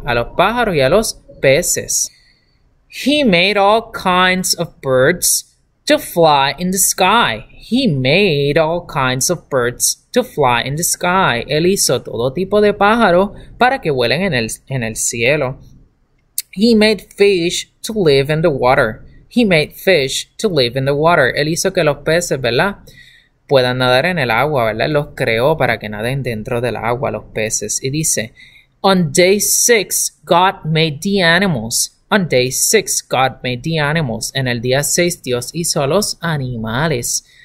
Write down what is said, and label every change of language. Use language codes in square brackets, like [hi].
[es] A los pájaros y a los peces. [en] He made all kinds of birds to fly in the sky. He made all kinds of birds to fly in the sky. [es] Él hizo todo tipo de pájaros para que vuelen en el cielo. [en] He made fish to live in the water. He made fish to live in the water. [es] Él hizo que los peces, ¿verdad?, puedan nadar en el agua, ¿verdad? Los creó para que naden dentro del agua, los peces. Y dice, [en] On day six, God made the animals. On day six, God made the animals. [es] En el día seis, Dios hizo los animales.